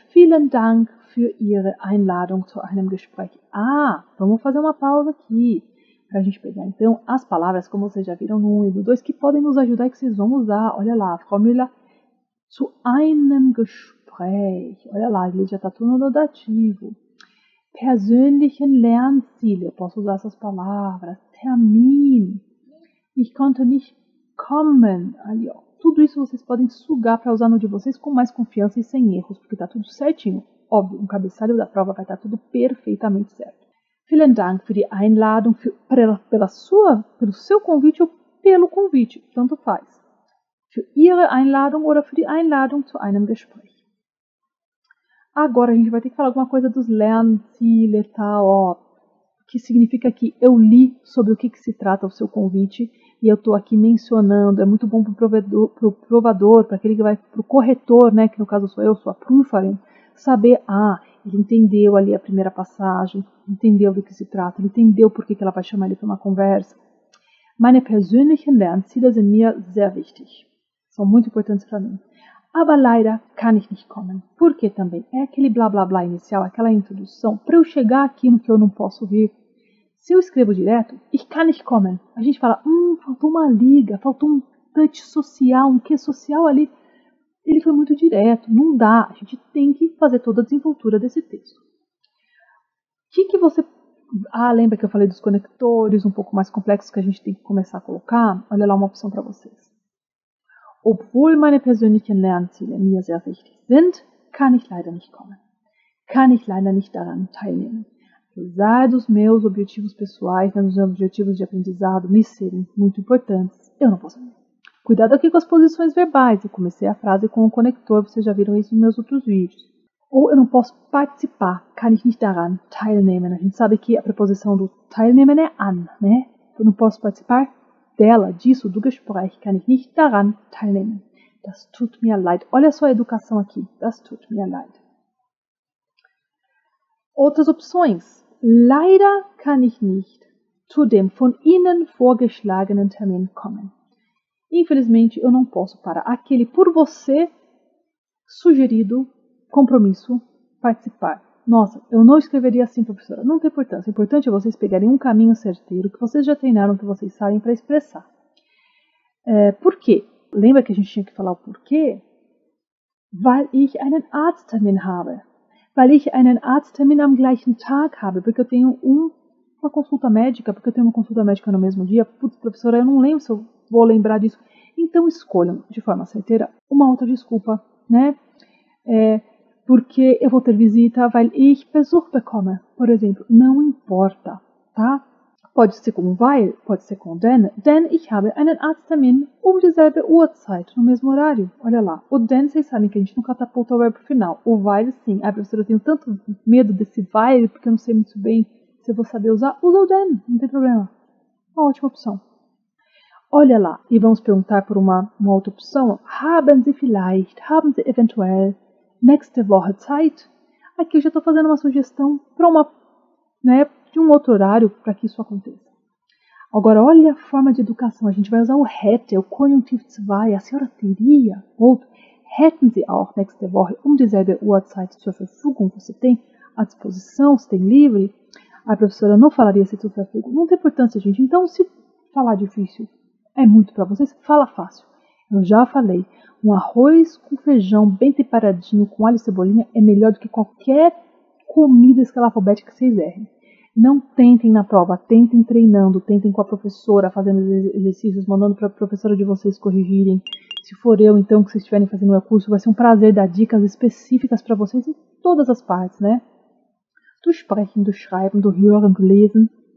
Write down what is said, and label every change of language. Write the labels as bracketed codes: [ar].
[de] Vielen Dank für Ihre Einladung zu einem Gespräch. [pt] Ah, vamos fazer uma pausa aqui. Para a gente pegar, então, as palavras, como vocês já viram no 1 e no 2, que podem nos ajudar e que vocês vão usar. Olha lá, [de] Frau Müller, zu einem Gespräch. [pt] Olha lá, ele já está tudo no dativo. [de] Persönlichen Lernziele. [pt] Eu posso usar essas palavras. Termin. [de] Ich konnte nicht [pt] common ali, ó. Tudo isso vocês podem sugar para usar no de vocês com mais confiança e sem erros, porque está tudo certinho. Óbvio, no cabeçalho da prova vai estar tudo perfeitamente certo. [de] Vielen Dank für die Einladung, [pt] pelo seu convite ou pelo convite, tanto faz. [de] Für Ihre Einladung oder für die Einladung zu einem Gespräch. [pt] Agora a gente vai ter que falar alguma coisa dos Lernziele, tal, ó, que significa que eu li sobre o que se trata o seu convite e eu estou aqui mencionando. É muito bom para o provador, para aquele que vai para o corretor, né, que no caso sou eu, sou a Prüferin, saber, ele entendeu ali a primeira passagem, entendeu do que se trata, entendeu por que ela vai chamar ele para uma conversa. [de] Meine persönlichen Lernziele sind mir sehr wichtig. [pt] São muito importantes para mim. [de] Aber leider kann ich nicht kommen. [pt] Por que também? É aquele blá blá blá inicial, aquela introdução. Para eu chegar aqui no que eu não posso vir. Se eu escrevo direto, [de] ich kann nicht kommen. [pt] A gente fala, faltou uma liga, faltou um touch social, um quê social ali. Ele foi muito direto, não dá. A gente tem que fazer toda a desenvoltura desse texto. O que você... lembra que eu falei dos conectores um pouco mais complexos que a gente tem que começar a colocar? Olha lá uma opção para vocês. [de] Obwohl meine persönlichen Lernziele mir sehr wichtig sind, kann ich leider nicht kommen. Kann ich leider nicht daran teilnehmen. [pt] Apesar dos meus objetivos pessoais, né, dos objetivos de aprendizado me serem muito importantes, eu não posso. Cuidado aqui com as posições verbais. Eu comecei a frase com o conector, vocês já viram isso nos meus outros vídeos. Ou eu não posso participar. [de] Kann ich nicht daran teilnehmen. [pt] A gente sabe que a preposição do teilnehmen é an, né? Eu não posso participar dela, disso, do Gespräch, [de] kann ich nicht daran teilnehmen. Das tut mir leid. [pt] Olha só a educação aqui. [de] Das tut mir leid. [pt] Outras opções. [de] Leider kann ich nicht zu dem von Ihnen vorgeschlagenen Termin kommen. [pt] Infelizmente, eu não posso para aquele por você sugerido compromisso participar. Nossa, eu não escreveria assim, professora. Não tem importância. O importante é vocês pegarem um caminho certeiro que vocês já treinaram, que vocês sabem para expressar. Por quê? Lembra que a gente tinha que falar o porquê? [de] Weil ich einen Arzttermin habe. Weil ich einen Arzttermin am gleichen Tag habe. [pt] Porque eu tenho uma consulta médica. Porque eu tenho uma consulta médica no mesmo dia. Putz, professora, eu não lembro se eu vou lembrar disso. Então escolham, de forma certeira, uma outra desculpa, né? Porque eu vou ter visita, [de] weil ich Besuch bekomme, [pt] por exemplo, não importa, tá? Pode ser com weil, pode ser com [de] denn ich habe einen Arzttermin um dieselbe Uhrzeit, [pt] no mesmo horário. Olha lá, o denn, vocês sabem que a gente não catapulta o verbo final, o weil sim. Professora, eu tenho tanto medo desse weil, porque eu não sei muito bem se eu vou saber usar, usa o denn, não tem problema. Uma ótima opção. Olha lá, e vamos perguntar por uma outra opção, [de] haben Sie vielleicht, haben Sie eventuell, nächste Woche Zeit. [pt] Aqui eu já estou fazendo uma sugestão para uma, né, de um outro horário para que isso aconteça. Agora, olha a forma de educação. A gente vai usar o hätte, o Konjunktiv 2. A senhora teria outro. [de] Hätten Sie auch nächste Woche dieselbe Uhrzeit zur Verfügung? [pt] Você tem à disposição, você tem livre? A professora não falaria se zur Verfügung. Não tem importância, gente. Então, se falar difícil é muito para vocês, fala fácil. Eu já falei, um arroz com feijão bem temperadinho com alho e cebolinha é melhor do que qualquer comida escalafobética que vocês errem. Não tentem na prova, tentem treinando, tentem com a professora, fazendo exercícios, mandando para a professora de vocês corrigirem. Se for eu, então, que vocês estiverem fazendo o meu curso, vai ser um prazer dar dicas específicas para vocês em todas as partes, né? Do sprechen, do schreiben, do hören, do lesen.